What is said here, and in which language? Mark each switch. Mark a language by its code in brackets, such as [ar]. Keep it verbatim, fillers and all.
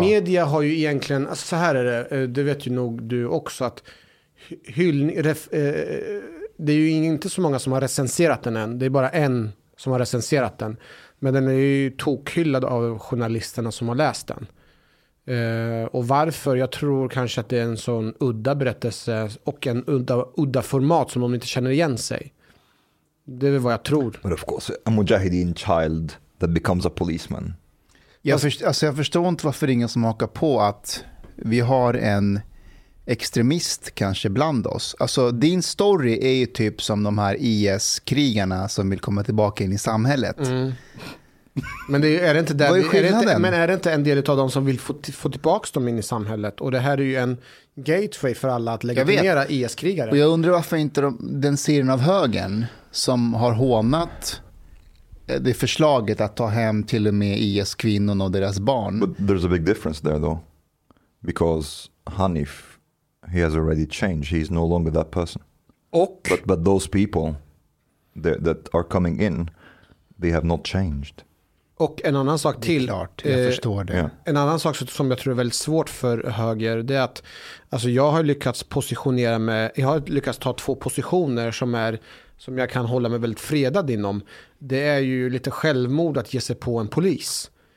[sv] Media har ju egentligen, alltså så här är det, det vet ju nog du också att hyllning, ref, eh, det är ju inte så många som har recenserat den än, det är bara en som har recenserat den, men den är ju tokhyllad av journalisterna som har läst den eh, och varför, jag tror kanske att det är en sån udda berättelse och en udda, udda format som de inte känner igen sig, det är vad jag tror. [en] But of course, a Mujahideen child that becomes a policeman. [sv] Jag förstår, alltså jag förstår inte varför ingen som hakar på att vi har en extremist kanske bland oss. Alltså din story är ju typ som de här I S-krigarna som vill komma tillbaka in i samhället. Mm. Men det är, är det inte där vad är skillnaden? Är det inte, men är det inte en del av dem som vill få, få tillbaka dem in i samhället? Och det här är ju en gateway för alla att legitimera I S-krigare. Och jag undrar varför inte de, den serien av högern som har hånat det förslaget att ta hem till och med I S-kvinnorna och deras barn. [en] But there's a big difference there though. Because Hanif, he has already changed. He's no longer that person. [sv] Och? [en] But, but those people that, that are coming in, they have not changed. [sv] Och en annan sak till. Det är klart, jag eh, förstår det. [en] Yeah. [sv] En annan sak som jag tror är väldigt svårt för höger, det är att alltså jag har lyckats positionera mig, jag har lyckats ta två positioner som är som jag kan hålla mig väldigt fredad inom, det är ju lite självmord att ge sig på en polis.